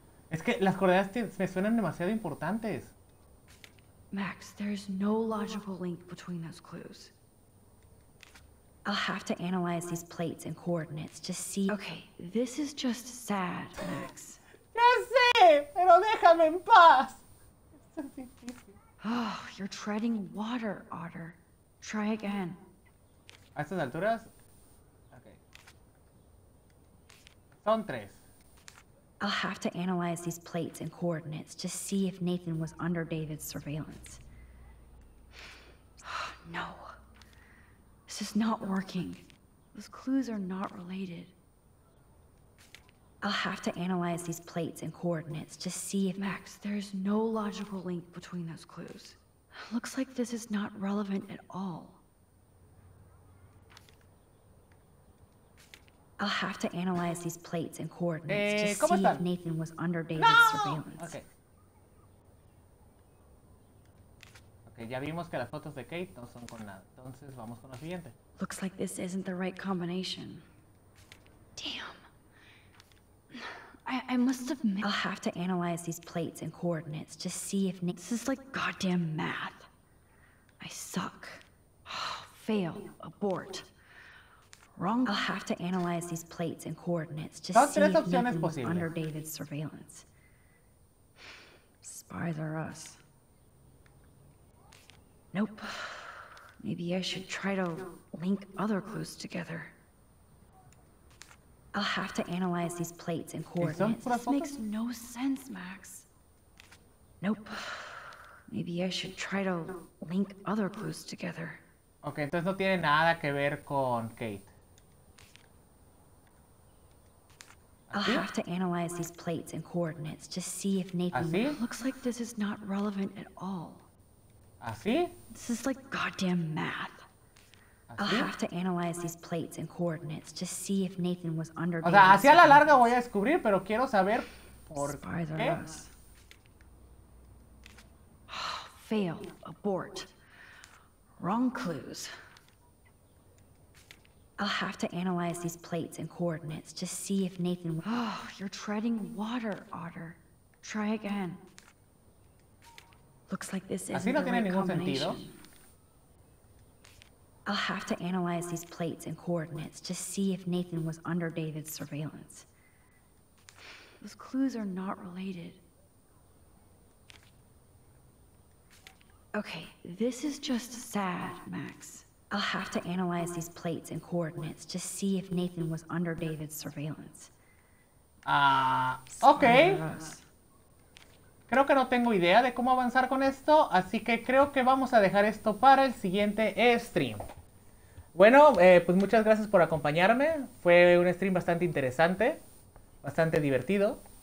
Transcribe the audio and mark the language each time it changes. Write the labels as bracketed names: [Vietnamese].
[Spanish] Es que las coordenadas me suenan demasiado importantes. [English] Max, there's no logical link between those clues. I'll have to analyze these plates and coordinates to see. Okay, this is just sad, Max. [Spanish] ¡Ya sé! ¡Pero déjame en paz! [English] Oh, you're treading water, Otter. Try again. [Spanish] ¿A estas alturas? Okay. Son tres. [English] I'll have to analyze these plates and coordinates to see if Nathan was under David's surveillance. No. This is not working. Those clues are not related. I'll have to analyze these plates and coordinates to see if... Max, there's no logical link between those clues. Looks like this is not relevant at all. I'll have to analyze these plates and coordinates to see if Nathan was under David's surveillance. [Spanish] Okay, ya vimos que las fotos de Kate no son con nada. Entonces, vamos con la siguiente. [English] Looks like this isn't the right combination. Damn. I must have missed... I'll have to analyze these plates and coordinates to see if Nathan... This is like goddamn math. I suck. Fail. Abort. Wrong. I'll have to analyze these plates and coordinates to see if Nathan was under David's surveillance. Spies are us. Nope. Maybe I should try to link other clues together. I'll have to analyze these plates and coordinates. This makes no sense, Max. Nope. Maybe I should try to link other clues together. [Spanish] Okay, entonces no tiene nada que ver con Kate. [English] I'll have to analyze these plates and coordinates to see if Nathan... [Spanish] ¿Así? [English] Looks like this is not relevant at all. [Spanish] ¿Así? [English] This is like goddamn math. [Spanish] ¿Así? [English] I'll have to analyze these plates and coordinates to see if Nathan was under... [Spanish] O sea, así a la larga voy a descubrir, pero quiero saber por qué. [English] Fail. Abort. Wrong clues. I'll have to analyze these plates and coordinates to see if Nathan... Oh, you're treading water, Otter. Try again. Looks like this isn't the right combination. I'll have to analyze these plates and coordinates to see if Nathan was under David's surveillance. Those clues are not related. Okay, this is just sad, Max. I'll have to analyze these plates and coordinates to see if Nathan was under David's surveillance. Okay. [Spanish] Creo que no tengo idea de cómo avanzar con esto, así que creo que vamos a dejar esto para el siguiente stream. Bueno, pues muchas gracias por acompañarme. Fue un stream bastante interesante, bastante divertido.